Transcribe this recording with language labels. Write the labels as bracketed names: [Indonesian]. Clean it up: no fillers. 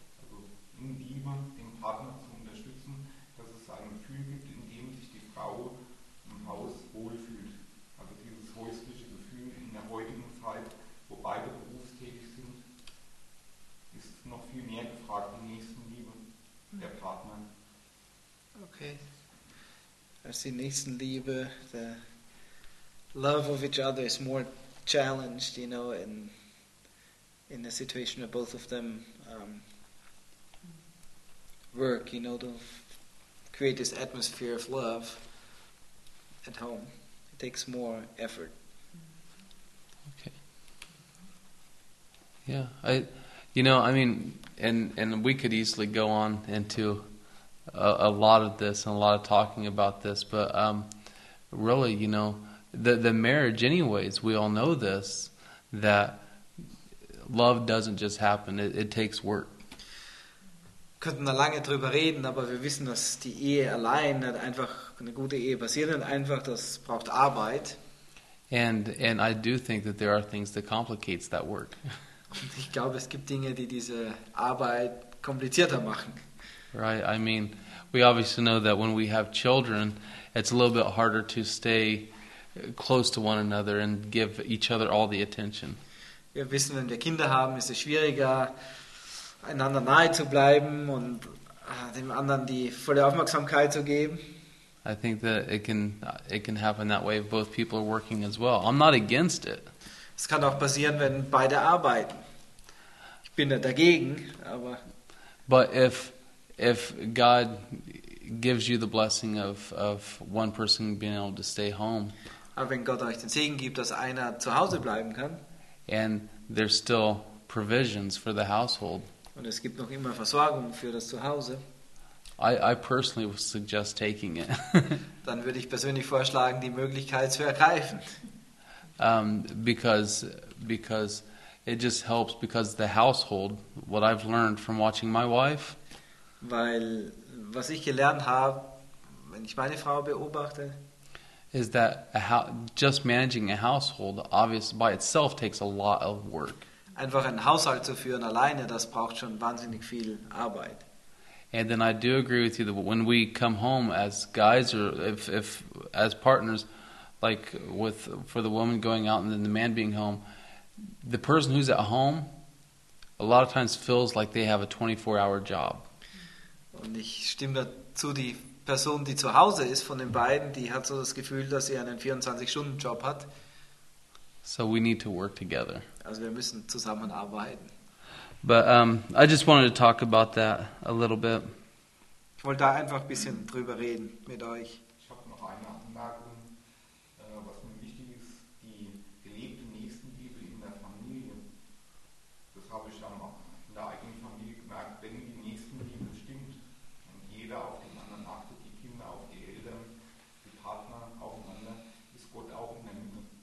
[German] Also in Liebe den Partner zu unterstützen, dass es ein Gefühl gibt, in dem sich die Frau im Haus wohlfühlt. Also dieses häusliche Gefühl in der heutigen wo beide berufstätig sind, ist noch viel mehr gefragt, die Nächstenliebe der Partner. [English] Okay. [German] Also die Nächstenliebe, [English] the love of each other is more challenged, you know, in a situation where both of them work, you know, to create this atmosphere of love at home. It takes more effort. Yeah, I mean, we could easily go on into a lot of this and a lot of talking about this, but really, you know, the marriage anyways, we all know this, that love doesn't just happen, it takes work. [German] Könnten da lange drüber reden, aber wir wissen, dass die Ehe allein nicht einfach eine gute Ehe basiert und einfach das braucht Arbeit. [English] And I do think that there are things that complicates that work. [German] Ich glaube, es gibt Dinge, die diese Arbeit komplizierter machen. [English] Right, I mean, we obviously know that when we have children, it's a little bit harder to stay close to one another and give each other all the attention. [German] Wir wissen, wenn wir Kinder haben, ist es schwieriger, einander nahe zu bleiben und dem anderen die volle Aufmerksamkeit zu geben. [English] I think that it can happen that way if both people are working as well. I'm not against it. [German] Es kann auch passieren, wenn beide arbeiten. Ich bin da dagegen, aber. [English] But if God gives you the blessing of one person being able to stay home. [German] Aber wenn Gott euch den Segen gibt, dass einer zu Hause bleiben kann. [English] And there's still provisions for the household. [German] Und es gibt noch immer Versorgung für das Zuhause. [English] I personally would suggest taking it. [German] Dann würde ich persönlich vorschlagen, die Möglichkeit zu ergreifen. [English] Because it just helps, because the household, what I've learned from watching my wife. [German] Weil was ich gelernt habe, wenn ich meine Frau beobachte, [English] is that just managing a household obviously by itself takes a lot of work. [German] Einfach einen Haushalt zu führen alleine, das braucht schon wahnsinnig viel Arbeit. [English] And then I do agree with you that when we come home as guys or if as partners, like with for the woman going out and then the man being home, the person who's at home a lot of times feels like they have a 24-hour job. [German] Und ich stimme dazu, die Person, die zu Hause ist von den beiden, die hat so das Gefühl, dass sie einen 24-Stunden-Job hat. [English] So we need to work together. [German] Also wir müssen zusammenarbeiten. [English] But I just wanted to talk about that a little bit. [German] Ich wollte da einfach ein bisschen drüber reden mit euch. Ich habe noch eine Anmerkung, was mir wichtig ist, die gelebte Nächstenliebe in der Familie. Das habe ich dann auch in der eigenen Familie gemerkt, wenn die Nächstenliebe stimmt und jeder auf den anderen achtet, die Kinder, auf die Eltern, die Partner aufeinander, ist Gott auch in der Mitte.